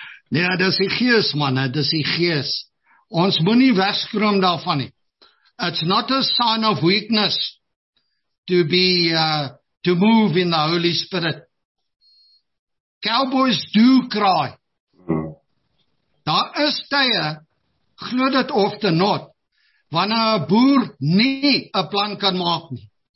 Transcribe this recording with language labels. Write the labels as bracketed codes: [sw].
[af] Ja, dit is die gees, manne, dit is die gees. Ons moet nie wegskroom daarvan nie. [en] It's not a sign of weakness to be, to move in the Holy Spirit. Cowboys do cry. [af] Daar is tye, glo dit of te not, wanneer een boer nie een plan kan maak nie.